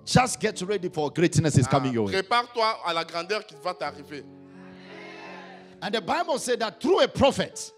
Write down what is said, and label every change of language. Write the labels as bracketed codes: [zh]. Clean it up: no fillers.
[en] Just get ready for greatness is coming your way. [fr] Prépare-toi à la grandeur qui va t'arriver. [en] And the Bible said that through a prophet.